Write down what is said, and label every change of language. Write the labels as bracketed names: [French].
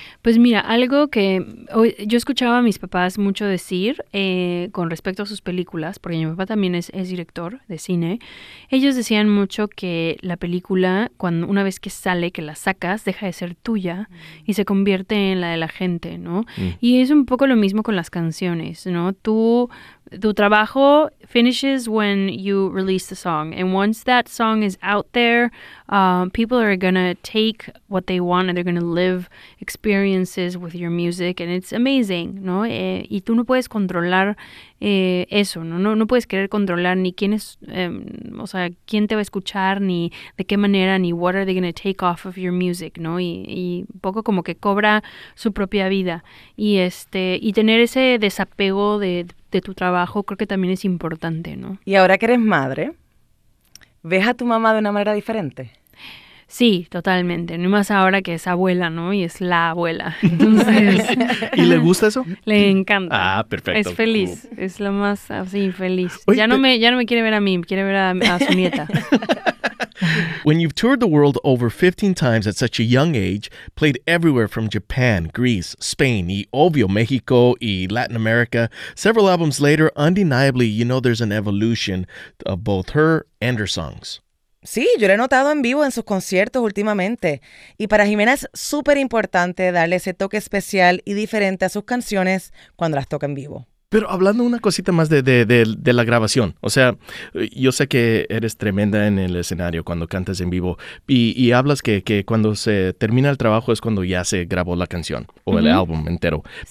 [Spanish] Pues mira, algo que yo escuchaba a mis papás mucho decir con respecto a sus películas, porque mi papá también es director de cine, ellos decían mucho que la película, cuando una vez que sale, que la sacas, deja de ser tuya y se convierte en la de la gente, ¿no? Y es un poco lo mismo con las canciones, ¿no? Tu trabajo [English] finishes when you release the song. And once that song is out there, people are going to take what they want and they're going to live experiences with your music. And it's amazing, [Spanish] ¿no? Y tú no puedes controlar eso, ¿no? No puedes querer controlar ni quién es, o sea, quién te va a escuchar, ni de qué manera, ni [English] what are they going to take off of your music, [Spanish] ¿no? Y un poco como que cobra su propia vida. Y tener ese desapego de tu trabajo, creo que también es importante, ¿no? Y ahora que eres madre, ¿ves a tu mamá de una manera diferente? Sí, totalmente. No más ahora que es abuela, ¿no? Y es la abuela. Entonces, ¿y le gusta eso? Le encanta. Ah, perfecto. Es feliz. Cool. Es lo más así, feliz. Oye, ya no me quiere ver a mí, quiere ver a su nieta. [English] When you've toured the world over 15 times at such a young age, played everywhere from Japan, Greece, Spain, [Spanish] y obvio Mexico, [English] y Latin America, several albums later, undeniably, you know there's an evolution of both her and her songs. [Spanish] Sí, yo lo he notado en vivo en sus conciertos últimamente. Y para Jimena es súper importante darle ese toque especial y diferente a sus canciones cuando las toca en vivo. Pero hablando una cosita más de la grabación, o sea, yo sé que eres tremenda en el escenario cuando cantas en vivo y hablas que cuando se termina el trabajo es cuando ya se grabó la canción o el álbum entero, sí.